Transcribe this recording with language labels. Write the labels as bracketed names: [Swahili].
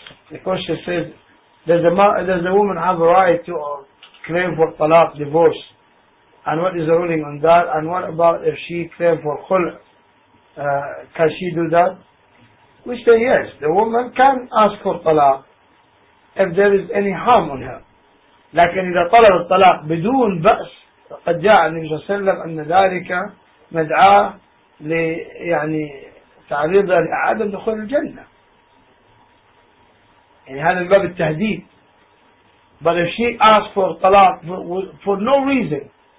[English] The question says, does the woman have the right to claim for طلاق divorce? And what is the ruling on that? And what about if she claims for khul? Can she do that? We say yes. The woman can ask for talaq if there is any harm on her. [Arabic] لكن إذا طلب الطلاق بدون بأس قد جاء النبي صلى الله عليه وسلم أن ذلك مدعاة يعني تعريضها لعدم دخول الجنة. يعني هذا الباب التهديد. [English] But if she asks for talaq for no reason.